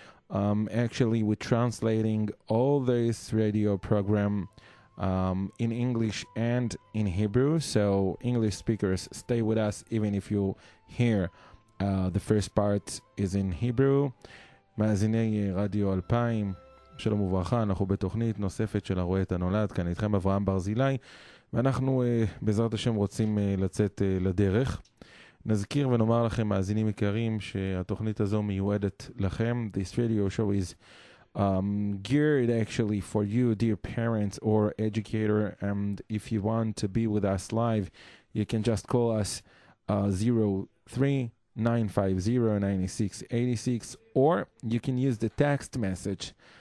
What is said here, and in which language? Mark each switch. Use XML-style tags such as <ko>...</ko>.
<en>Actually, we're translating all this radio program in English and in Hebrew. So, English speakers, stay with us even if you hear the first part is in Hebrew.</en> <he>Mazinei Radio Alpaim. שלום וברכה, אנחנו בתוכנית נוספת של הרואה את הנולד, כאן איתכם אברהם ברזילאי, ואנחנו בעזרת השם רוצים לצאת לדרך. נזכיר ונאמר לכם, מאזינים יקרים, שהתוכנית הזו מיועדת לכם.</he> <en>This video show is geared actually for you, dear parents or educator, and if you want to be with us live, you can just call us 03-950-9686, or you can use the text message.</en>